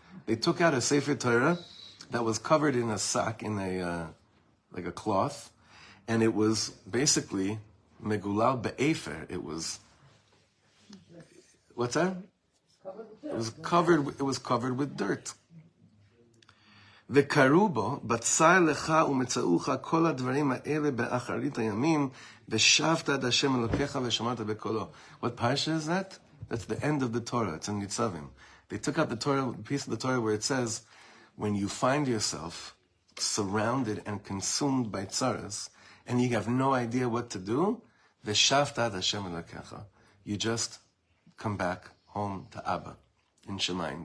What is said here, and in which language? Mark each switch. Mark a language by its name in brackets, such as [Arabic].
[English] They took out a sefer Torah that was covered in a sack, in a like a cloth, and it was basically [Hebrew] megulal be'efer. [English] It was, what's that? It was covered with dirt. [Hebrew] וקראו בו, בצא אליך ומצאוך כל הדברים האלה באחרית הימים, ושבת עד השם אלוקיך ושמרת בקולו. [English] What parasha is that? That's the end of the Torah. It's in Nitzavim. They took out the Torah, piece of the Torah where it says, when you find yourself surrounded and consumed by tzaras, and you have no idea what to do, [Hebrew] ושבת עד השם אלוקיך. [English] You just come back home to Abba in Shemayim.